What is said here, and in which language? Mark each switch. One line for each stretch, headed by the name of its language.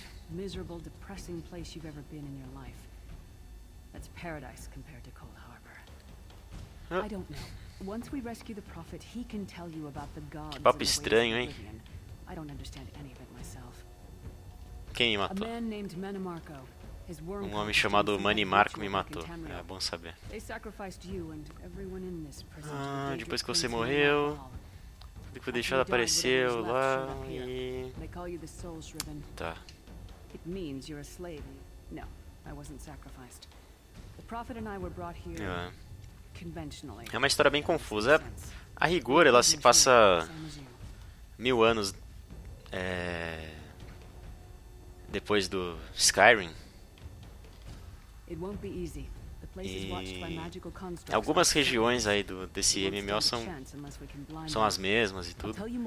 English: Miserable, depressing place you've ever been in your life. That's paradise compared to Cold Harbor. I don't know. Once we rescue the prophet, he can tell you about the gods.
Portuguese: Papo estranho, hein?
English: I don't understand any of it myself.
Portuguese: Quem me matou?
English: A man named Manimarco. His worm.
Portuguese: Um homem chamado Manimarco me matou. É bom saber.
English: They sacrificed you and everyone in this prison.
Portuguese: Ah, depois que você morreu, tudo que foi deixado apareceu lá e.
English: They call you the Soul Shriven. Tá. It means you're a slave. No, I wasn't sacrificed. The prophet and I were brought here conventionally.
Portuguese: É uma história bem confusa. A rigor, ela se passa mil anos depois do Skyrim.
English: It won't be easy. The place is watched by magical constructs.
Portuguese: Algumas regiões aí do desse MMO são as mesmas e tudo.